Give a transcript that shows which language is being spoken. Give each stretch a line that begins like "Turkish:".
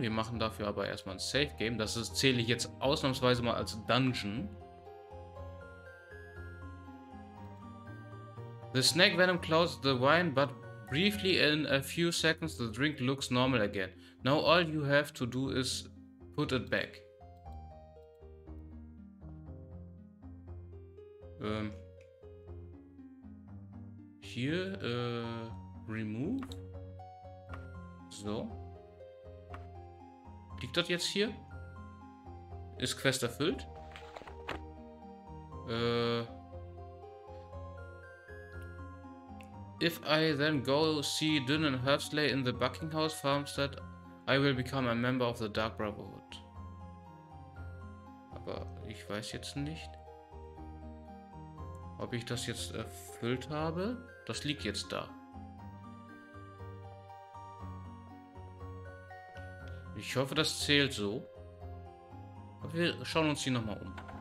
German: Wir machen dafür aber erstmal ein Safe Game. Das zähle ich jetzt ausnahmsweise mal als Dungeon.
English: The snake venom clouds the wine, but briefly in a few seconds the drink looks normal again. Now all you have to do is put it back. Here, remove. So.
German: Liegt das jetzt hier? Ist Quest erfüllt?
English: If I then go see Dyn and Herbstley in the Buckinghouse Farmstead, I will become a member of the Dark Brotherhood.
German: Aber ich weiß jetzt nicht, ob ich das jetzt erfüllt habe. Das liegt jetzt da. Ich hoffe, das zählt so. Aber wir schauen uns hier nochmal um.